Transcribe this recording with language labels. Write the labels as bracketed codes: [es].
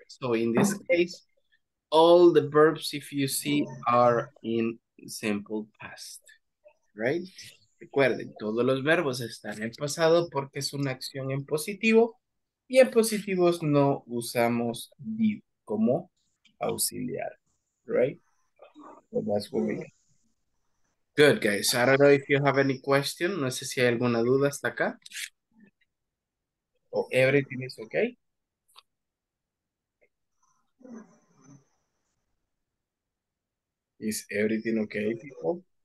[en] So in this case, all the verbs, if you see, are in simple past. Right? [es] Recuerden, todos los verbos están en pasado porque es una acción en positivo. Y en positivos no usamos did como auxiliar. [en] Right? So that's what we got. Good, guys. I don't know if you have any question. [es] No sé si hay alguna duda hasta acá. [en] Oh, everything is okay? Is everything okay, people?